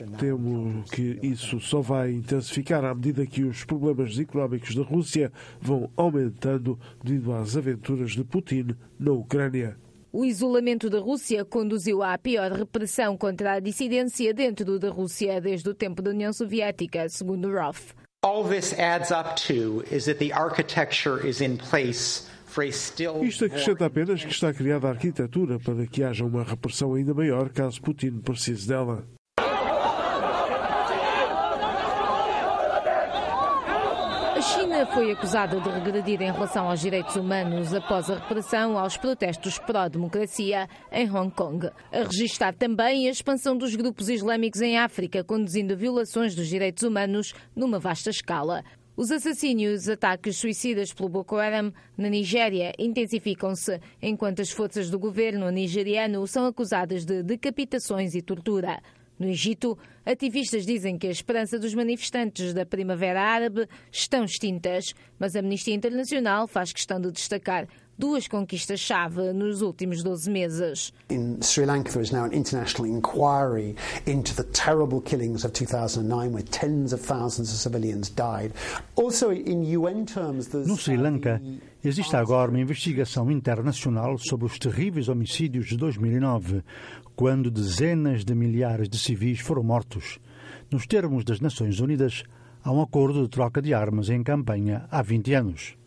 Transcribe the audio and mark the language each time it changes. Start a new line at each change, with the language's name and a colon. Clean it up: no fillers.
Portuguese: Temo que isso só vai intensificar à medida que os problemas económicos da Rússia vão aumentando devido às aventuras de Putin na Ucrânia. O isolamento da Rússia conduziu à pior repressão contra a dissidência dentro da Rússia desde o tempo da União Soviética, segundo Roth.
English: All this adds up to is that the architecture is in place.
Portuguese: Isto acrescenta apenas que está criada a arquitetura para que haja uma repressão ainda maior caso Putin precise dela. A China foi acusada de regredir em relação aos direitos humanos após a repressão aos protestos pró-democracia em Hong Kong. A registar também a expansão dos grupos islâmicos em África, conduzindo a violações dos direitos humanos numa vasta escala. Os assassínios, ataques suicidas pelo Boko Haram na Nigéria intensificam-se, enquanto as forças do governo nigeriano são acusadas de decapitações e tortura. No Egito, ativistas dizem que a esperança dos manifestantes da Primavera Árabe estão extintas, mas a Amnistia Internacional faz questão de destacar 2 conquistas-chave nos últimos 12 meses.
English: In Sri Lanka, there is now an international inquiry into the terrible killings of 2009, where tens of thousands of civilians died. Also, in UN terms, there's...
Portuguese: No Sri Lanka, existe agora uma investigação internacional sobre os terríveis homicídios de 2009, quando dezenas de milhares de civis foram mortos. Nos termos das Nações Unidas, há um acordo de troca de armas em campanha há 20 anos.